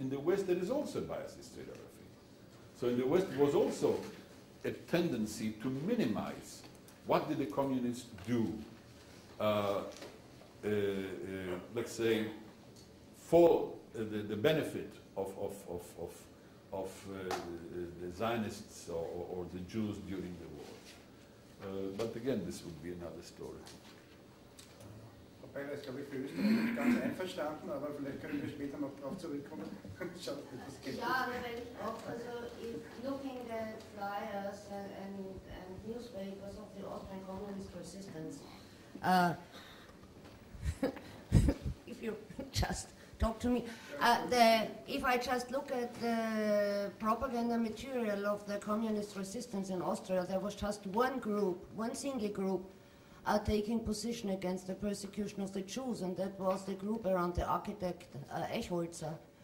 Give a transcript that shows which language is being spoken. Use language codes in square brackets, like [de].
[en] In the West, there is also a biased historiography. So in the West, was also a tendency to minimize what did the communists do, for the benefit of the Zionists or the Jews during the war. But again, this would be another story. Okay. [de] Weil das, glaube ich, für Österreich ganz einverstanden, aber vielleicht können wir später noch darauf zurückkommen. Schaut, wie das geht. Ja, aber wenn ich auch, also [en] if looking at flyers and newspapers of the Austrian Communist Resistance, if you just talk to me, if I just look at the propaganda material of the Communist Resistance in Austria, there was just one group, one single group, taking position against the persecution of the Jews, and that was the group around the architect Echholzer.